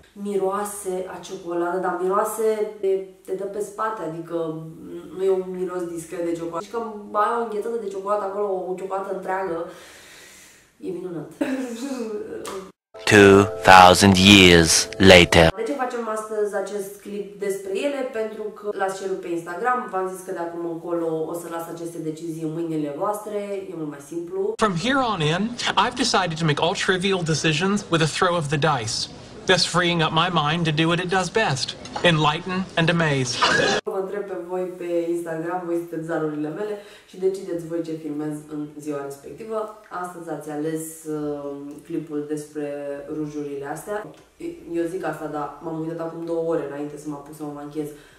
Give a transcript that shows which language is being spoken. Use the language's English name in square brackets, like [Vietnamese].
[Romanian] Miroase a ciocolată, dar miroase te dă pe spate, adică nu e un miros discret de ciocolată. Și că bai o înghețată de ciocolată acolo, o ciocolată întreagă, e minunat. [English] 2000 years later. [Romanian] De ce facem astăzi acest clip despre ele? Pentru că l-ați cerut pe Instagram, v-am zis că de acum încolo o să las aceste decizii în mâinile voastre, e mult mai simplu. [English] From here on in, I've decided to make all trivial decisions with a throw of the dice. Thus freeing up my mind to do what it does best, enlighten and amaze. [Romanian] Vă întreb pe voi pe Instagram, voi sunteți zarurile mele și decideți voi ce filmez în ziua respectivă. Astăzi ați ales clipul despre rujurile astea. Eu zic asta, dar m-am uitat acum 2 ore înainte să mă apuc să mă manchez.